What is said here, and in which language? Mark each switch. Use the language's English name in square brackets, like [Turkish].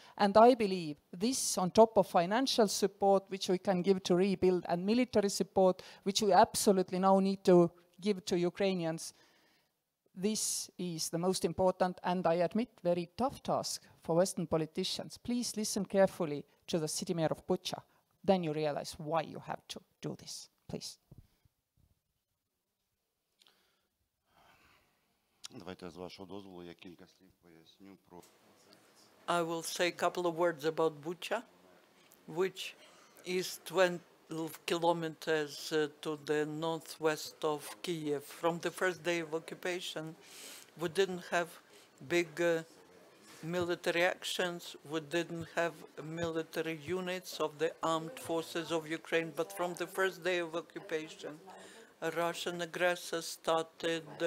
[English] And I believe this, on top of financial support, which we can give to rebuild, and military support, which we absolutely now need to give to Ukrainians, this is the most important and, I admit, very tough task for Western politicians. Please listen carefully to the city mayor of Bucha. Then you realize why you have to do this. Please. [Ukrainian] Давайте з вашого дозволу я кілька слів поясню про. [English] I will say a couple of words about Bucha, which is 12 kilometers to the northwest of Kyiv. From the first day of occupation, we didn't have big military actions, we didn't have military units of the armed forces of Ukraine, but from the first day of occupation, a Russian aggressor started